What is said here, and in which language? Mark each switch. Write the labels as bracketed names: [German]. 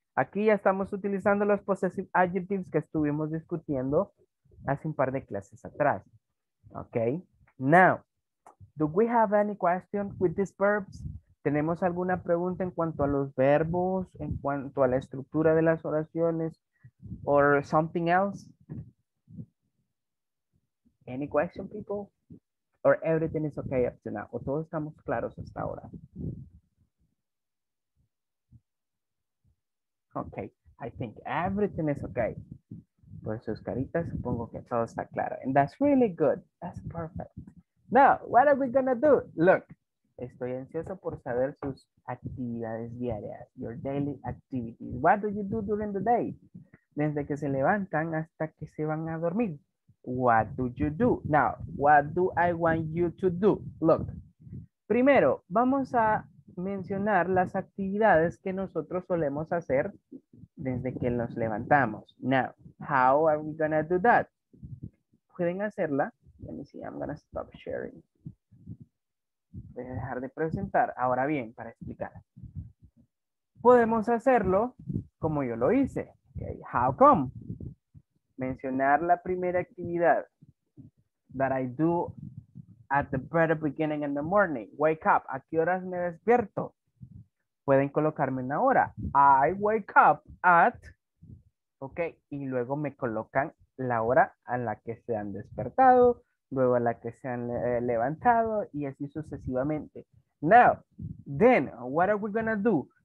[Spanish] Aquí ya estamos utilizando los possessive adjectives que estuvimos discutiendo hace un par de clases atrás. [English] Okay. Now, do we have any question with these verbs? [Spanish] ¿Tenemos alguna pregunta en cuanto a los verbos, en cuanto a la estructura de las oraciones, [English] or something else? Any question, people? Or everything is okay up to now? [Spanish] ¿O todos estamos claros hasta ahora? [English] Okay, I think everything is okay. [Spanish] Por sus caritas, supongo que todo está claro. [English] And that's really good. That's perfect. Now, what are we gonna do? [Spanish] Look, estoy ansioso por saber sus actividades diarias, [English] your daily activities. What do you do during the day? [Spanish] Desde que se levantan hasta que se van a dormir. [English] What do you do? Now, what do I want you to do? [Spanish] Look, primero, vamos a mencionar las actividades que nosotros solemos hacer desde que nos levantamos. [English] Now, how are we gonna do that? [Spanish] Pueden hacerla. [English] Let me see, I'm gonna stop sharing. [Spanish] Voy a dejar de presentar. Ahora bien, para explicar. Podemos hacerlo como yo lo hice. Okay. [English] How come? [Spanish] Mencionar la primera actividad [English] that I do at the very beginning in the morning. Wake up. [Spanish] ¿A qué horas me despierto? Pueden colocarme una hora. [English] I wake up at. Ok. [Spanish] Y luego me colocan la hora a la que se han despertado, luego a la que se han levantado y así sucesivamente. [English] Now, then, what are we going to do?